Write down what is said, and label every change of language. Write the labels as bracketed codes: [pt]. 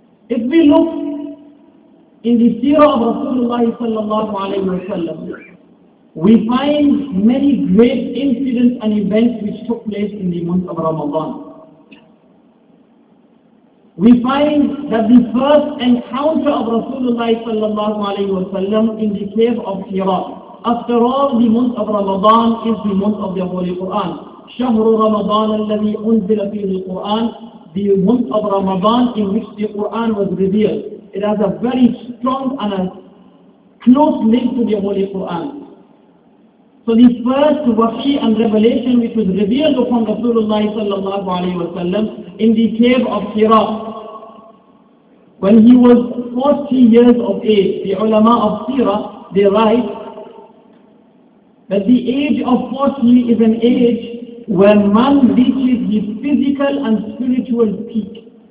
[en] If we look in the seerah of Rasulullah sallallahu alayhi wa sallam, we find many great incidents and events which took place in the month of Ramadan. We find that the first encounter of Rasulullah sallallahu alayhi wa sallam in the cave of Hiraa. After all, the month of Ramadan is the month of the Holy Quran. [ar] شهر رمضان الذي أنزل فيه القرآن. [en] The month of Ramadan in which the Quran was revealed. It has a very strong and a close link to the Holy Quran. So the first wahi and revelation which was revealed upon Rasulullah sallallahu alayhi wa sallam in the cave of Hiraa, when he was 40 years of age, the ulama of Sira, they write that the age of 40 is an age where man reaches his physical and spiritual peak.